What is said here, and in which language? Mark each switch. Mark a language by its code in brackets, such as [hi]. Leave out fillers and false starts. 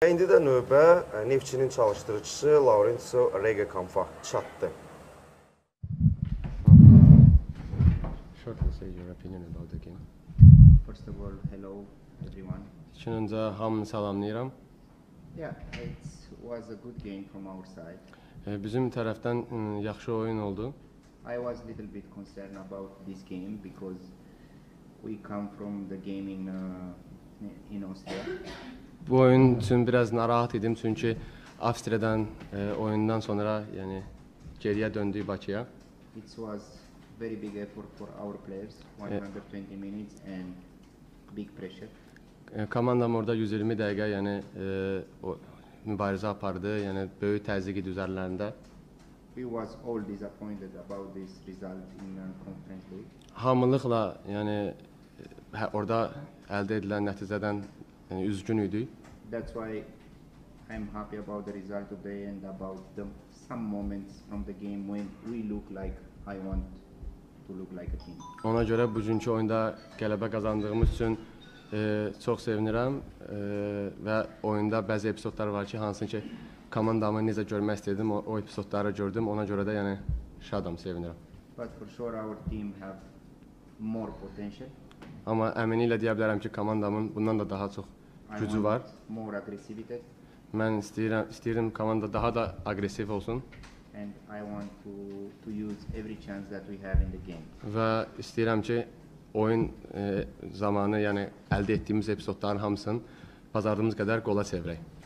[az] İndi də növbə Neftçinin çalışdırıcısı Laurenzo Rega Kampa çatdı. [en] Short to say your opinion about the game. First of all, hello everyone. [az] İçin öncə hamını salamlayıram. [en] Yeah, it was a good game from our side. [az] Bizim tərəfdən yaxşı oyun oldu. [en] I was a little bit concerned about this game because we come from the game in Austria. [az] Bu oyun [tr] için biraz [az] narahat idim çünkü Avstriya'dan oyundan sonra yani geriye döndü Bakı'ya. [en] It was very big effort for our players, 120 minutes and big pressure. [az] Komandam orada 120 dakika yani mübarizə apardı, yani [tr] büyük [az] təzyiq idi üzərlərində. [en] We was all disappointed about this result in the conference league. [az] Hamılıqla yani orada elde edilen nəticədən yani üzgün idi. [en] That's why I'm happy about the result today and about the some moments from the game when we look like I want to look like a team. [az] Ona göre bugünkü oyunda qələbə qazandığımız üçün çox sevinirəm və oyunda bəzi episodlar var ki, hansı ki komandamı necə görmək istədim, o episodları gördüm. Ona göre de yani şadam, sevinirəm. [en] But for sure our team have more potential. [tr] Ama eminiyle diyebilirim ki komandamın bundan da daha çok gücü var. [en] More aggressivity. [tr] Ben istiyorum komanda daha da agresif olsun. [en] And I want to use every chance that we have in the game. [tr] Ve istiyorum ki oyun zamanı yani elde ettiğimiz episodların [az] hamısını [tr] pazardığımız kadar gola çevirey.